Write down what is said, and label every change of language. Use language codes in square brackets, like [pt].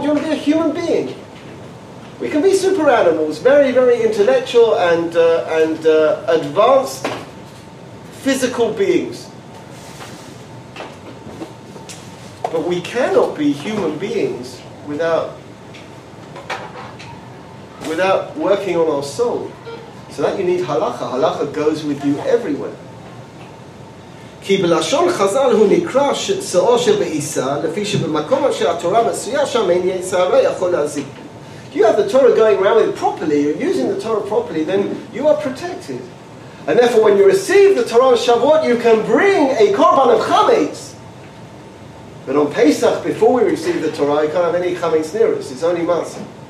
[en] Do you want to be a human being? We can be super animals, very, very intellectual and advanced physical beings. But we cannot be human beings without working on our soul. So that you need halacha. Halacha goes with you everywhere. [he] כי בלשון חז"ל הוא נקרא שעור שבעיסה, לפי שבמקום אשר התורה מצויה שם אין יצר הרע יכול להזיק. [en] If you have the Torah going around with it properly, you're using the Torah properly, then you are protected. And therefore, when you receive the Torah on Shavuot, you can bring a korban of chametz. But on Pesach, before we receive the Torah, you can't have any chametz near us. It's only matzah.